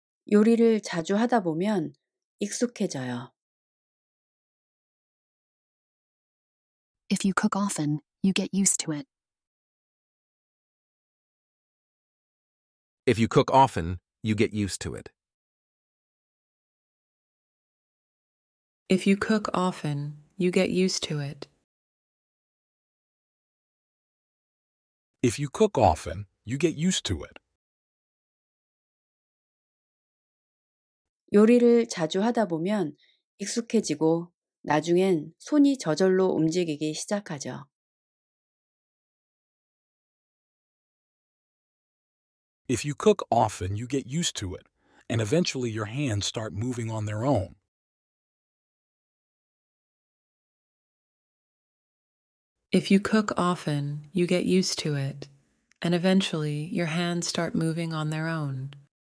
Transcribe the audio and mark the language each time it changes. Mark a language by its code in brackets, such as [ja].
[ko] 요리를 자주 하다 보면 익숙해져요. [en] If you cook often, you get used to it. If you cook often, you get used to it. If you cook often, you get used to it. If you cook often, you get used to it. [ko] 요리를 자주 하다 보면 익숙해지고 나중엔 손이 저절로 움직이기 시작하죠. [en] If you cook often, you get used to it, and eventually your hands start moving on their own. If you cook often, you get used to it, and eventually your hands start moving on their own.